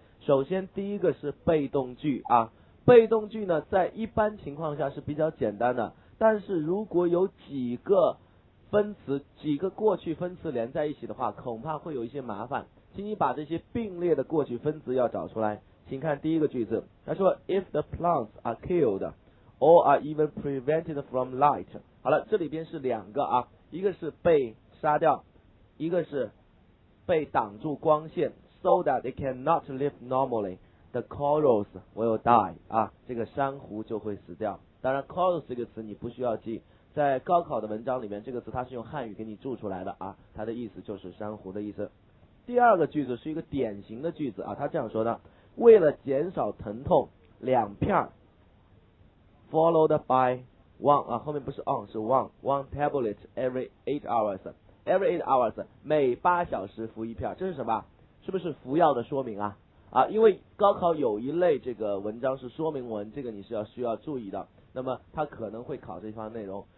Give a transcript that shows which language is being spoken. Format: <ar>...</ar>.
<zh>首先第一个是被动句啊，被动句呢在一般情况下是比较简单的，但是如果有几个分词，几个过去分词连在一起的话，恐怕会有一些麻烦，请你把这些并列的过去分词要找出来。请看第一个句子，他说</zh> <en>If the plants are killed or are even prevented from light。</en> <zh>好了，这里边是两个啊，一个是被杀掉，一个是被挡住光线。</zh> <en>So that they cannot live normally, the corals will die 啊，</en> <zh>这个珊瑚就会死掉。当然 corals 这个词你不需要记，在高考的文章里面这个词它是用汉语给你注出来的啊，它的意思就是珊瑚的意思。第二个句子是一个典型的句子啊，它这样说的，为了减少疼痛，两片</zh> <en>followed by one</en> <zh>啊，后面不是 on 是</zh> <en>one tablet every eight hours</en> <zh>每八小时服一片，这是什么，是不是服药的说明啊，啊，因为高考有一类这个文章是说明文，这个你是要需要注意的，那么他可能会考这一方内容。</zh>